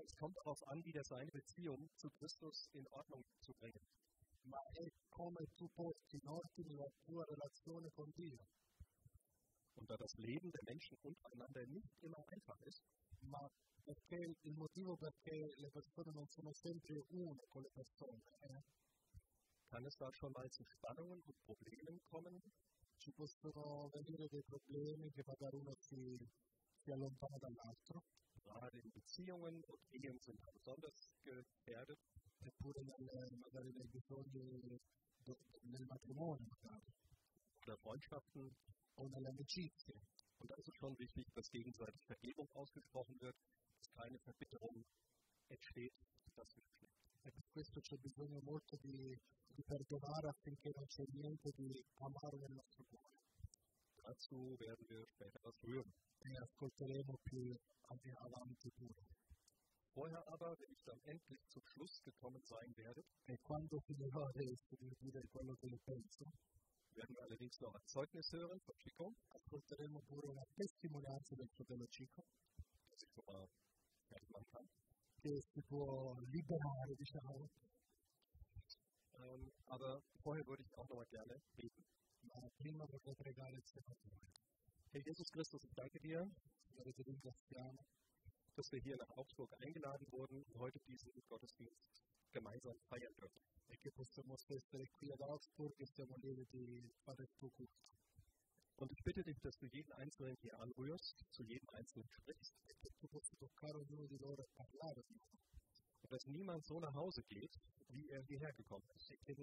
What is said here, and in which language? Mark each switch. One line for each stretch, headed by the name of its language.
German: es kommt darauf an, wieder seine Beziehung zu Christus in Ordnung zu bringen.
Italian: Ma è come tu porti in ordine la tua relazione con Dio.
German: Und da das Leben der Menschen untereinander nicht immer einfach ist,
Italian: ma perché il motivo perché le persone non sono sempre uno con le persone,
German: kann es da schon mal zu Spannungen und Problemen kommen.
Italian: Ci possono venire dei problemi che magari uno si allontana dall'altro.
German: Gerade in Beziehungen und Ehen sind da besonders gefährdet.
Italian: Eppure magari nei bisogni nel matrimonio magari.
German: Oder Freundschaften.
Italian: O nelle amicizie.
German: Und da ist es schon wichtig, dass gegenseitig Vergebung ausgesprochen wird, dass keine Verbitterung entsteht, dass wir schlecht.
Italian: E per questo c'è bisogno molto di perdonare affinché non c'è niente di amaro nel nostro cuore.
German: Dazu werden wir später was hören.
Italian: E ascolteremo più avanti pure.
German: Vorher aber, wenn ich dann endlich zum Schluss gekommen sein werde,
Italian: e quando finirò adesso di dire quello che ne penso,
German: werden wir allerdings noch ein Zeugnis hören von Chico.
Italian: Ascolteremo pure una testimonianza del fratello Chico,
German: dass ich schon mal fertig machen kann.
Italian: Che si può liberare, diciamo.
German: Aber vorher würde ich auch noch mal gerne beten.
Italian: Ma prima vorrei pregare il Signore.
German: Herr Jesus Christus, ich danke dir, dass wir hier nach Augsburg eingeladen wurden und heute diesen Gottesdienst gemeinsam feiern dürfen.
Italian: E che possiamo essere qui ad Augsburg e siamo lieti di fare il tuo culto.
German: Und ich bitte dich, dass du jeden Einzelnen hier anrührst, zu jedem Einzelnen sprichst. Und dass niemand so nach Hause geht, wie er hierher gekommen ist.